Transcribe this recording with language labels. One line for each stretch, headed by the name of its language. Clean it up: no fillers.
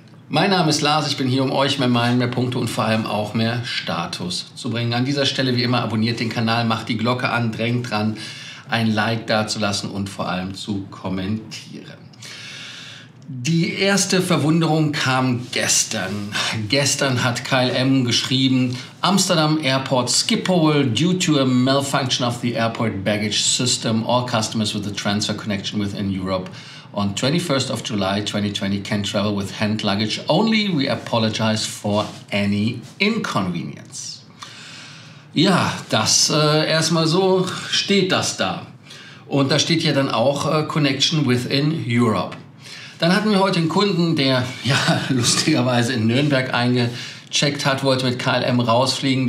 German: Mein Name ist Lars, ich bin hier, um euch mehr Meilen, mehr Punkte und vor allem auch mehr Status zu bringen. An dieser Stelle, wie immer, abonniert den Kanal, macht die Glocke an, drängt dran, ein Like dazulassen und vor allem zu kommentieren. Die erste Verwunderung kam gestern. Gestern hat KLM geschrieben,
English: Amsterdam Airport Schiphol, due to a malfunction of the airport baggage system, all customers with a transfer connection within Europe on 21st of July 2020 can travel with hand luggage only. We apologize for any inconvenience.
German: Ja, das erstmal so steht das da. Und da steht ja dann auch
English: Connection within Europe.
German: Dann hatten wir heute einen Kunden, der ja lustigerweise in Nürnberg eingecheckt hat, wollte mit KLM rausfliegen.